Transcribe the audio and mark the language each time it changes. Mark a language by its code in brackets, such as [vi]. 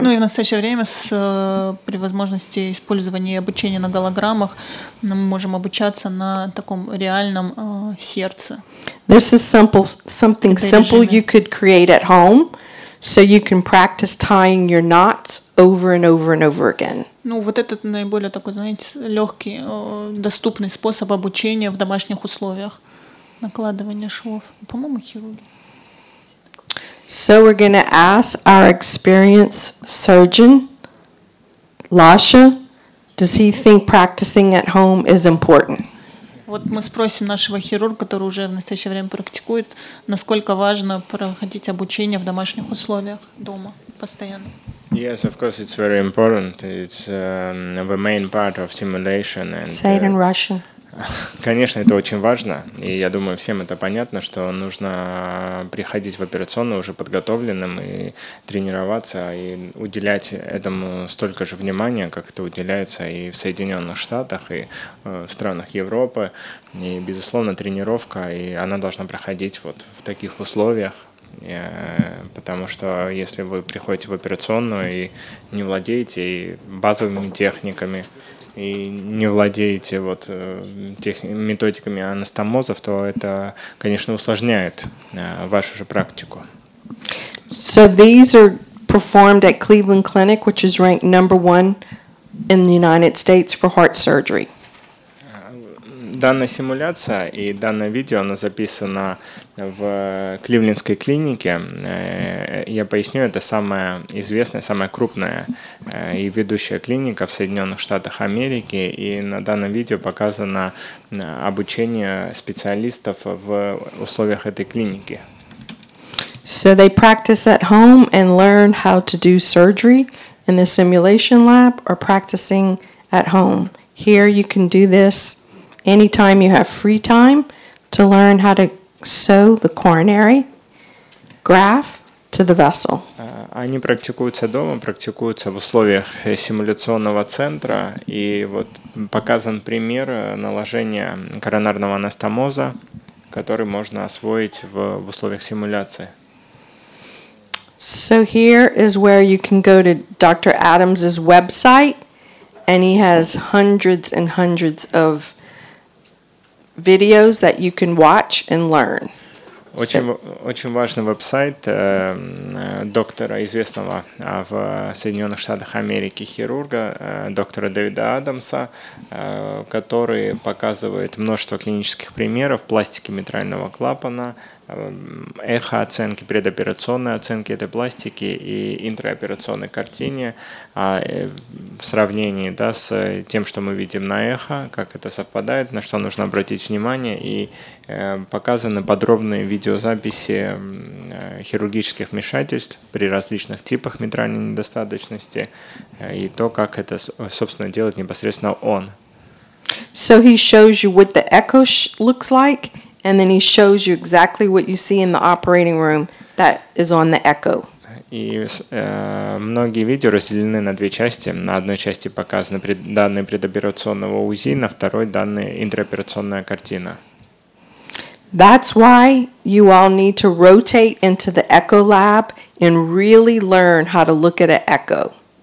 [ru] Ну и в настоящее время с при возможности использования и обучения на голограммах мы можем обучаться на таком реальном сердце. [en] This is simple, something simple you could create at home so you can practice tying your knots over and over and over again. [ru] Ну вот этот наиболее такой, знаете, легкий доступный способ обучения в домашних условиях. Накладывание швов. По-моему, хирург. [en] So we're going to ask our experienced surgeon, Lasha, does he think practicing at home is important? [ru] Вот мы спросим нашего хирурга, который уже в настоящее время практикует, насколько важно проходить обучение в домашних условиях дома, постоянно. [en] Yes, of course, it's very important. It's the main part of simulation. And, Say it in Russian. [ru] Конечно, это очень важно, и я думаю, всем это понятно, что нужно приходить в операционную уже подготовленным и тренироваться, и уделять этому столько же внимания, как это уделяется и в Соединенных Штатах, и в странах Европы. И, безусловно, тренировка, и она должна проходить вот в таких условиях, потому что если вы приходите в операционную и не владеете и базовыми техниками, и не владеете вот методиками анастомозов, то это, конечно, усложняет вашу же практику. [en] So these are performed at Cleveland Clinic, which is ranked number one in the United States for heart surgery. [ru] Данная симуляция и данное видео, оно записано в Кливлендской клинике. Я поясню, это самая известная, самая крупная и ведущая клиника в Соединенных Штатах Америки. И на данном видео показано обучение специалистов в условиях этой клиники. [en] So they practice at home and learn how to do surgery in the simulation lab or practicing at home. Here you can do this. Anytime you have free time to learn how to sew the coronary graft to the vessel. [ru] Они практикуются дома, практикуются в условиях симуляционного центра, и вот показан пример наложения коронарного анастомоза, который можно освоить в условиях симуляции. [en] So here is where you can go to Dr. Adams's website, and he has hundreds and hundreds of videos that you can watch and learn. [ru] Очень важный веб-сайт доктора, известного в Соединенных Штатах Америки хирурга, доктора Дэвида Адамса, который показывает множество клинических примеров пластики митрального клапана, эхо-оценки, предоперационные оценки этой пластики и интраоперационной картине в сравнении, да, с тем, что мы видим на эхо, как это совпадает, на что нужно обратить внимание, и показаны подробные видеозаписи хирургических вмешательств при различных типах митральной недостаточности и то, как это, собственно, делает непосредственно он. [en] So he shows you what the echo looks like. And then he shows you exactly what you see in the operating room that is on the echo. [ru] И многие видео разделены на две части. На одной части показаны данные предоперационного УЗИ, на второй данные интраоперационная картина. [en] That's why you all need to rotate into the echo lab and really learn how to look at an echo.